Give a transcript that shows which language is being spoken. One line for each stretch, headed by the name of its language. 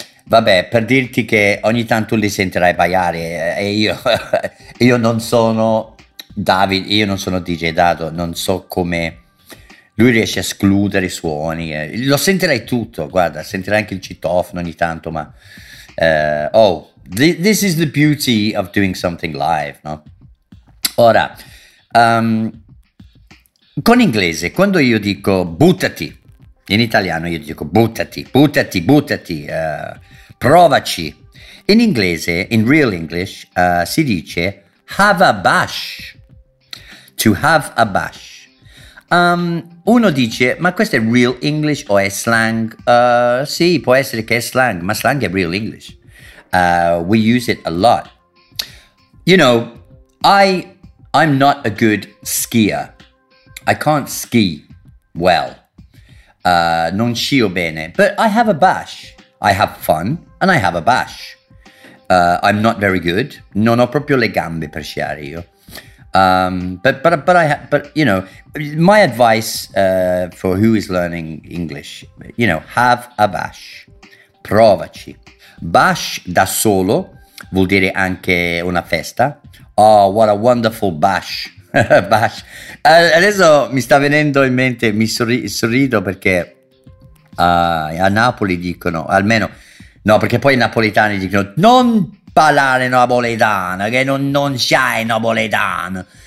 Italian: Vabbè, per dirti che ogni tanto li sentirai baiare, e io non sono David, io non sono DJ Dado, non so come lui riesce a escludere i suoni. Lo sentirei tutto, guarda, sentirei anche il citofono ogni tanto, ma.
English: Oh, this is the beauty of doing something live, no?
Italian: Ora, con inglese, quando io dico buttati, in italiano io dico buttati, buttati, buttati, provaci. In inglese, in real English, si dice
English: have a bash. To have a bash.
Italian: Uno dice, ma questo è real English o è slang? Sì, può essere che è slang, ma slang è real English.
English: We use it a lot. You know, I'm not a good skier. I can't ski well.
Italian: Non scio bene,
English: but I have a bash. I have fun and I have a bash. I'm not very good.
Italian: Non ho proprio le gambe per sciare io.
English: But you know, my advice for who is learning English, you know, have a bash,
Italian: provaci. Bash da solo vuol dire anche una festa.
English: Oh, what a wonderful bash!
Italian: Bash. Adesso mi sta venendo in mente, mi sorrido perché a Napoli dicono, almeno no, perché poi i napoletani dicono non parlare napoletano, che non c'è napoletano.